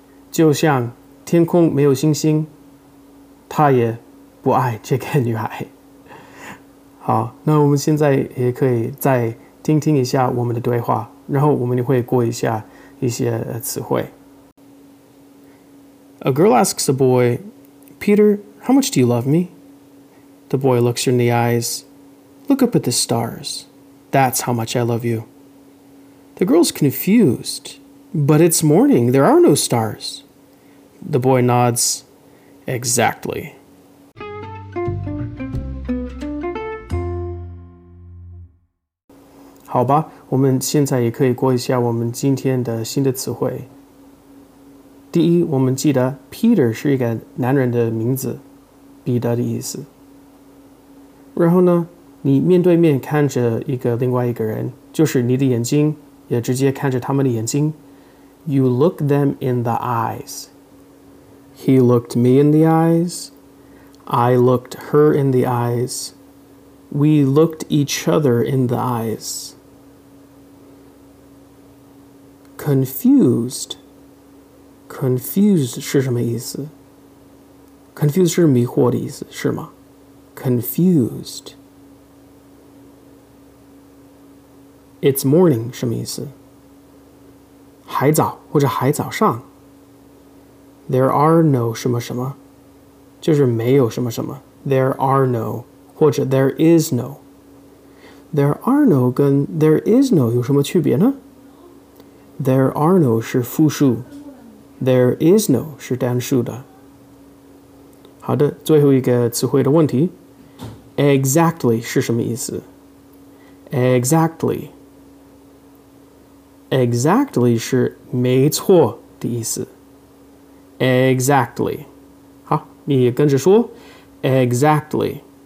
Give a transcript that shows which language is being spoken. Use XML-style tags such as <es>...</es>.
<zh>就像天空没有星星，他也不爱这个女孩。好，那我们现在也可以再听听一下我们的对话，然后我们会过一下一些词汇。</zh> <en>A girl asks a boy, Peter, how much do you love me? The boy looks her in the eyes. Look up at the stars. That's how much I love you. The girl's confused. But it's morning. There are no stars. The boy nods. Exactly. How about</en> <zh>我们现在也可以过一下我们今天的新的词汇。第一，我们记得 Peter 是一个男人的名字，彼得的意思。然后呢，你面对面看着一个另外一个人，就是你的眼睛，也直接看着他们的眼睛。</zh> <en>You look them in the eyes. He looked me in the eyes. I looked her in the eyes. We looked each other in the eyes. Confused.</en> <zh>Confused 是什么意思?Confused 是迷惑的意思,是吗?</zh> <en>Confused. It's morning</en> <zh>什么意思?海藻或者海藻上。</zh> <en>There are no</en> <zh>什么什么，就是没有什么什么。</zh> <en>There are no</en> <zh>或者</zh> <en>there is no。 There are no</en> <zh>跟</zh> <en>there is no</en> <zh>有什么区别呢？ There are no 是复数， there is no 是单数的。好的，最后一个词汇的问题， exactly 是什么意思？ exactly 是没错的意思。 exactly 好，你也跟着说 exactly。</zh>